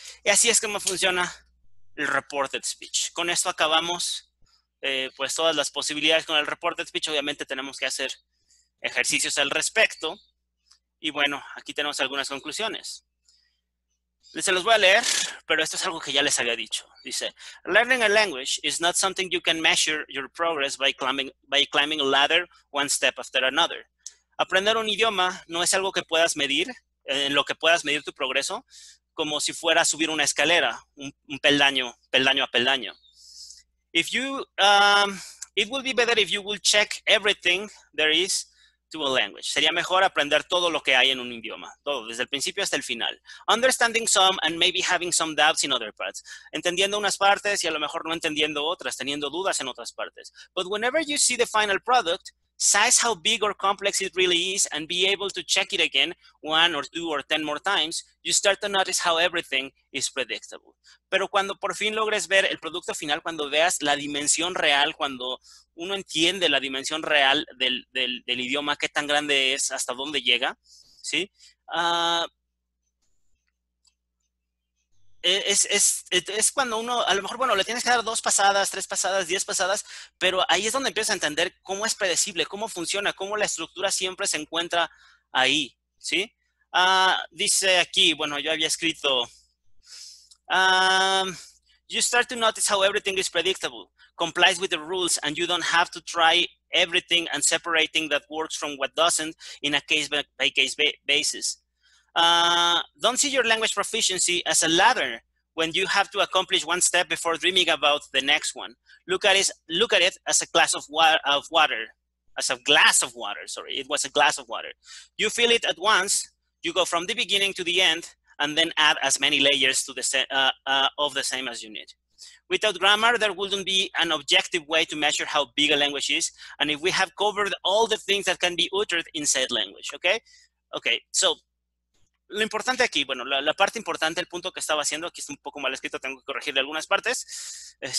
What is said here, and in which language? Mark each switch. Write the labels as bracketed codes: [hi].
[es] Y así es como funciona el reported speech. Con esto acabamos pues todas las posibilidades con el reported speech. Obviamente tenemos que hacer ejercicios al respecto. Y bueno, aquí tenemos algunas conclusiones. Se los voy a leer, pero esto es algo que ya les había dicho. [en] Dice, learning a language is not something you can measure your progress by climbing a ladder one step after another. [es] Aprender un idioma no es algo que puedas medir, en lo que puedas medir tu progreso, como si fuera subir una escalera, un peldaño, peldaño a peldaño. [en] If you, it would be better if you would check everything there is to a language. [es] Sería mejor aprender todo lo que hay en un idioma. Todo, desde el principio hasta el final. [en] Understanding some and maybe having some doubts in other parts. [es] Entendiendo unas partes y a lo mejor no entendiendo otras, teniendo dudas en otras partes. [en] But whenever you see the final product, size how big or complex it really is and be able to check it again one or two or ten more times, you start to notice how everything is predictable. [es] Pero cuando por fin logres ver el producto final, cuando veas la dimensión real, cuando uno entiende la dimensión real del idioma, qué tan grande es, hasta dónde llega, ¿sí? Es cuando uno, a lo mejor, bueno, le tienes que dar dos pasadas, tres pasadas, 10 pasadas, pero ahí es donde empiezas a entender cómo es predecible, cómo funciona, cómo la estructura siempre se encuentra ahí, ¿sí? Dice aquí, bueno, yo había escrito, [en] you start to notice how everything is predictable, complies with the rules, and you don't have to try everything and separating that works from what doesn't in a case-by-case basis. Don't see your language proficiency as a ladder when you have to accomplish one step before dreaming about the next one. Look at it as a glass of water, as a glass of water, sorry, it was a glass of water. You fill it at once, you go from the beginning to the end, and then add as many layers to the of the same as you need. Without grammar, there wouldn't be an objective way to measure how big a language is, and if we have covered all the things that can be uttered in said language, okay? [es] Okay, so, lo importante aquí, bueno, la parte importante, el punto que estaba haciendo, aquí está un poco mal escrito, tengo que corregirle algunas partes.